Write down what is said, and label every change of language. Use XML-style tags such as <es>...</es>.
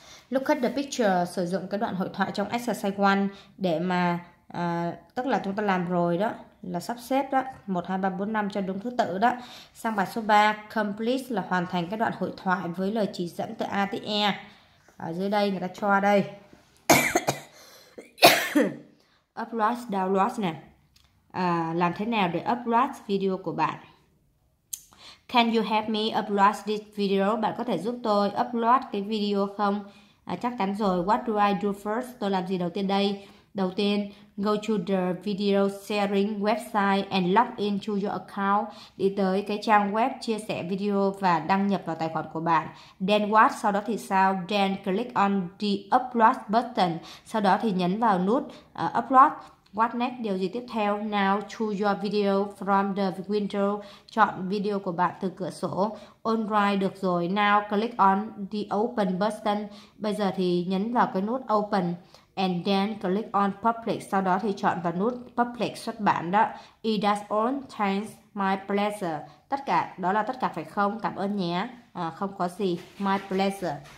<en>Look at the picture,</en> <vi>sử dụng cái đoạn hội thoại trong exercise 1 để mà tức là chúng ta làm rồi đó, là sắp xếp đó, 1 2 3 4 5 cho đúng thứ tự đó. Sang bài số 3, complete là hoàn thành cái đoạn hội thoại với lời chỉ dẫn từ A tới E. Ở dưới đây người ta cho đây. Upload, download nè. Làm thế nào để upload video của bạn?</vi> <en>Can you help me upload this video?</en> <vi>Bạn có thể giúp tôi upload cái video không? Chắc chắn rồi.</vi> <en>What do I do first?</en> <vi>Tôi làm gì đầu tiên đây? Đầu tiên,</vi> <en>go to the video sharing website and log in to your account.</en> <vi>Đi tới cái trang web chia sẻ video và đăng nhập vào tài khoản của bạn.</vi> <en>Then what?</en> <vi>Sau đó thì sao?</vi> <en>Then click on the upload button.</en> <vi>Sau đó thì nhấn vào nút upload.</vi> <en>What next?</en> <vi>Điều gì tiếp theo?</vi> <en>Now choose your video from the window.</en> <vi>Chọn video của bạn từ cửa sổ.</vi> <en>Alright,</en> <vi>được rồi.</vi> <en>Now click on the open button.</en> <vi>Bây giờ thì nhấn vào cái nút open.</vi> <en>And then click on public.</en> <vi>Sau đó thì chọn vào nút public xuất bản đó.</vi> <en>It does all. Thanks. My pleasure.</en> <vi>Tất cả, đó là tất cả phải không? Cảm ơn nhé. À, không có gì. My pleasure.</vi>